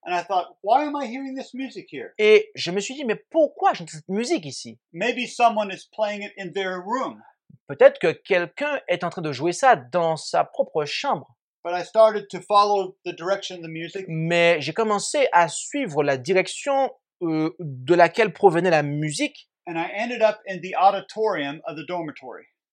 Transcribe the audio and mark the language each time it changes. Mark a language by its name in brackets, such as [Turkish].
[English] And I thought, why am I hearing this music here? [French] Et je me suis dit, mais pourquoi j'entends cette musique ici? [English] Maybe someone is playing it in their room. [French] Peut-être que quelqu'un est en train de jouer ça dans sa propre chambre. [English] But I started to follow the direction of the music. [French] Mais j'ai commencé à suivre la direction de laquelle provenait la musique. [English] And I ended up in the auditorium of the dormitory.